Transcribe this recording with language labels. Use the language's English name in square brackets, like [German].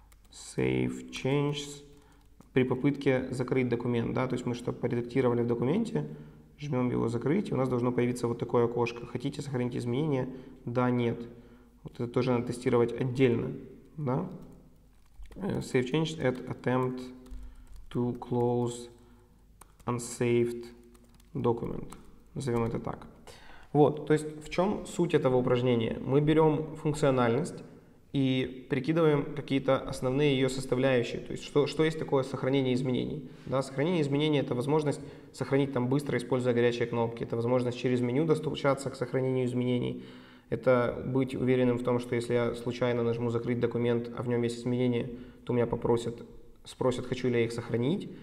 [Russian] Save changes при попытке закрыть документ, да, то есть мы что-то поредактировали в документе, жмем его закрыть, и у нас должно появиться вот такое окошко. Хотите сохранить изменения? Да, нет. Вот это тоже надо тестировать отдельно, да. [English] Save changes at attempt to close unsaved document. [Russian] Назовем это так. Вот, то есть в чем суть этого упражнения? Мы берем функциональность и прикидываем какие-то основные ее составляющие. То есть что есть такое сохранение изменений? Да, сохранение изменений — это возможность сохранить там быстро, используя горячие кнопки. Это возможность через меню достучаться к сохранению изменений. Это быть уверенным в том, что если я случайно нажму «закрыть документ», а в нем есть изменения, то меня попросят, спросят, хочу ли я их сохранить.